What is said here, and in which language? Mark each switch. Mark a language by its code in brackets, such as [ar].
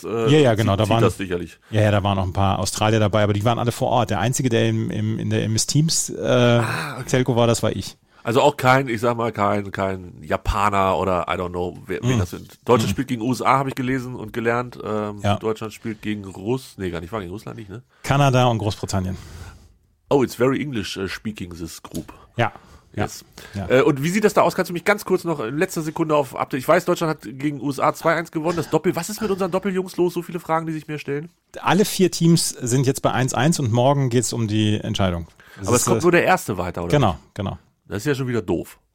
[de] Da waren auch ein paar Australier dabei, aber die waren alle vor Ort. Der Einzige, der in der MS Teams Telco war, das war ich. Also auch kein Japaner oder [en] I don't know, [de] wen das sind. Deutschland spielt gegen USA, habe ich gelesen und gelernt. Deutschland spielt gegen Russland nicht, ne? Kanada und Großbritannien. [en] Oh, it's very English speaking this group. [de] Ja. [en] Yes. [de] Ja, ja. Und wie sieht das da aus? Kannst du mich ganz kurz noch in letzter Sekunde auf Update? Ich weiß, Deutschland hat gegen USA 2-1 gewonnen. Was ist mit unseren Doppeljungs los? So viele Fragen, die sich mir stellen. Alle 4 Teams sind jetzt bei 1-1 und morgen geht es um die Entscheidung. Das aber es kommt nur der erste weiter, oder? Genau, genau. Das ist ja schon wieder doof.